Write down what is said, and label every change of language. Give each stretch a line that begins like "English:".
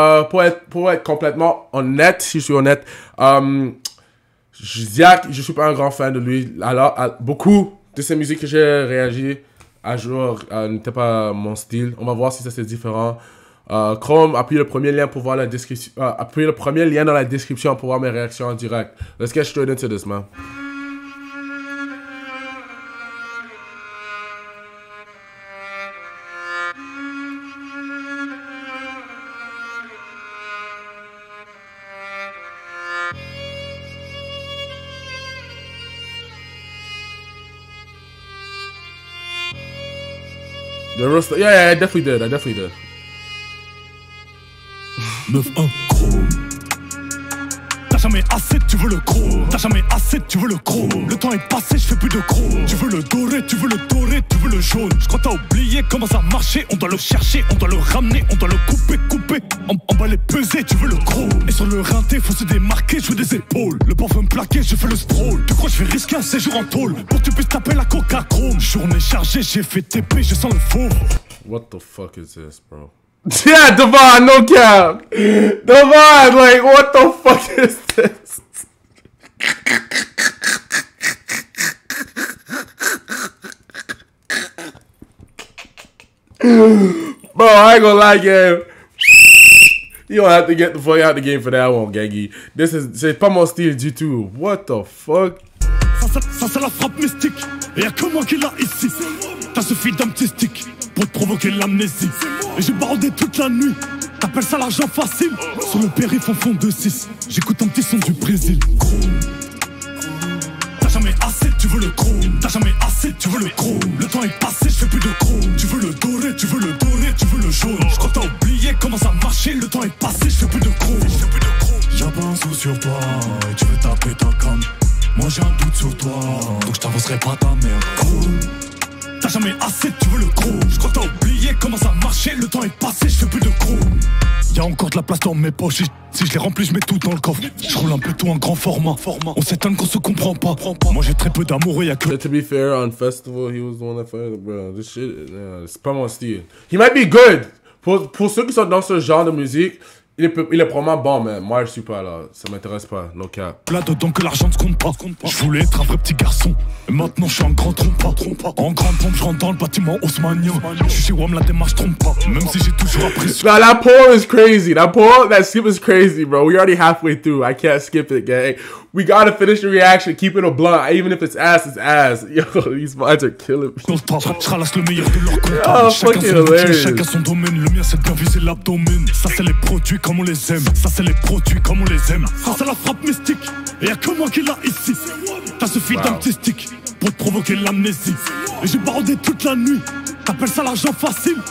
French: Pour être complètement honnête, si je suis honnête, Ziyech, je suis pas un grand fan de lui. Alors, beaucoup de ces musiques que j'ai réagi à jour n'étaient pas mon style. On va voir si ça c'est différent. Chrome, appuyez le premier lien pour voir la description. Appuyez le premier lien dans la description pour voir mes réactions en direct.
English: Let's get straight into this, man. The rest, yeah, I definitely did. 9-1 chrome.
French: T'as jamais assez, tu veux le chrome. T'as jamais assez, tu veux le chrome. Le temps est passé, je fais plus de chrome. Tu veux le doré, tu veux le doré, tu veux le jaune. Je crois t'as oublié comment ça marchait. On doit le chercher, on doit le ramener, on doit le couper, couper. On va les peser, tu veux le chrome. Et sur le rinté, faut se démarquer, je veux des épaules. Le parfum plaqué, je fais le sprawl. Tu crois je vais risquer un séjour en tôle pour que tu puisses taper la coca-chrome. Journée chargée, j'ai fait TP, je sens le four.
English: What the fuck is this, bro? Yeah, Devon, no cap. Devon, like, what the fuck is this? Bro, I ain't gonna lie, game. You don't have to get the fuck out of the game for that one, Gaggy. This is,
French: c'est pas mon style du tout.
English: What the fuck?
French: Ça, c'est la frappe mystique. Et y'a que moi qui l'a ici. T'as suffi d'un petit stick pour provoquer l'amnésie. Et j'ai baraudé toute la nuit. T'appelles ça l'argent facile. Sur le périph' en fond de 6, j'écoute un petit son du Brésil. Chrome. T'as jamais assez, tu veux le chrome. T'as jamais assez, tu veux le chrome. Le temps est passé, je fais plus de chrome. Tu veux le doré, tu veux le doré, tu veux le jaune. Je crois que t'as oublié comment ça marchait. Le temps est passé, je fais plus de chrome. Je fais plus de chrome. Y'a pas un sou sur toi et tu veux taper ta cam. Moi j'ai un doute sur toi, donc je t'avancerai pas ta merde. Chrome. T'as jamais assez, tu veux le chrome. Je crois que t'as oublié comment ça marchait. Le temps est passé, je fais plus de chrome. Y'a encore de la place dans mes poches. Si je les remplis, je mets tout dans le coffre. Je roule un peu tout en grand format. On s'étonne qu'on se comprend pas. Moi j'ai très peu d'amour et y'a que.
English: But to be fair, on festival, he was the one that fired. Bro, this shit,
French: c'est pas mon style.
English: He might be good.
French: Pour ceux qui sont dans ce genre de musique. Il est vraiment bon, mais moi je suis pas là, ça m'intéresse pas, no cap. Là dedans que l'argent ne compte pas, je voulais être un vrai petit garçon. Et maintenant je suis un grand trompeur. En grande pompe, je rentre dans le bâtiment haussmanien. Je suis chez WAM, la démarche trompe pas, même si j'ai toujours apprécié.
English: Là, la pole is crazy, la pole, that skip is crazy, bro. We already halfway through, I can't skip it, gang. We gotta finish the reaction, keep it a blunt, even if it's ass, it's ass. Yo, these mods are killing me. Oh, fucking hilarious.
French: Chacun son domaine, le mien c'est de bien viser l'abdomen. Ça c'est les produits comme on les aime. Ça c'est les produits comme on les aime. Ça c'est la frappe mystique, et y'a que moi qui l'a ici. T'as ce fil d'un petit stick pour te provoquer l'amnésie. Et j'ai baraudé toute la nuit, t'appelles ça l'argent facile.